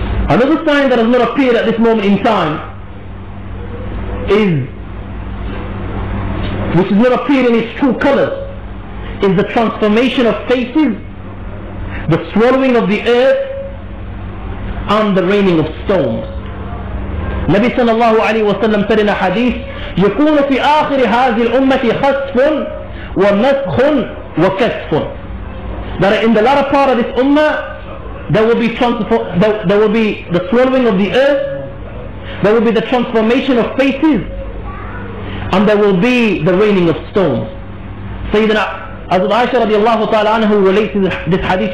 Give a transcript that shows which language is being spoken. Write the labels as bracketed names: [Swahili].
[English] Another sign that has not appeared at this moment in time is, which has not appeared in its true colors, is the transformation of faces, the swallowing of the earth, and the raining of stones. Nabi sallallahu alayhi wa sallam said in a hadith, [Arabic] يكون في آخر هذه الأمة خسف ونسخ وكسف. [English] That in the latter part of this ummah, there will be the swallowing of the earth, there will be the transformation of faces, and there will be the raining of stones. Sayyidina Hazrat Aisha radiallahu ta'ala anhu relates this hadith.